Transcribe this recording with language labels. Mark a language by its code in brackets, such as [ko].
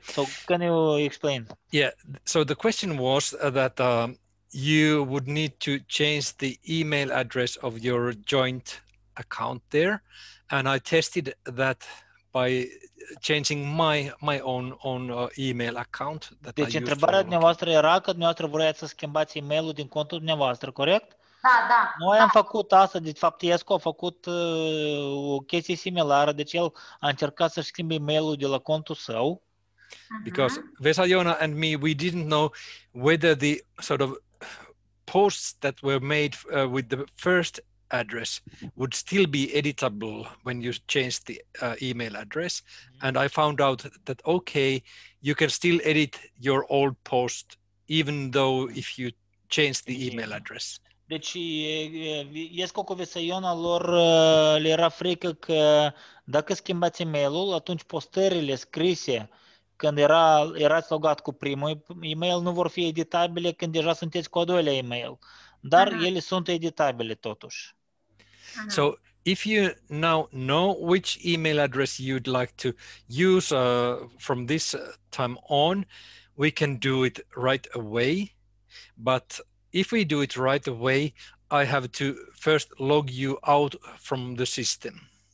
[en] So can you explain? Yeah. So the question was that you would need to change the email address of your joint account there. And I tested that by changing my own email account. That [ro] deci întrebarea dumneavoastră era că dumneavoastră vreați să schimbați e-mail-ul din contul dumneavoastră, corect? Da, da. Noi am făcut asta, de fapt Iesco a făcut o chestie similară, deci el a încercat să-și schimbe e-mail-ul de la contul său. [en] Because Vesa Iona and me, we didn't know whether the sort of posts that were made with the first address would still be editable when you change the email address. And I found out that, okay, you can still edit your old post even though if you change the email address. [ro] Deci, Iesco cu Vesaiona lor le era frică că dacă schimbați e-mail-ul, atunci postările scrise când erați logat cu primul e-mail nu vor fi editabile când deja sunteți cu a doilea e-mail. Dar ele sunt editabile totuși. [en] So, if you now know which email address you'd like to use from this time on, we can do it right away, but if we do it right away, I have to first log you out from the system.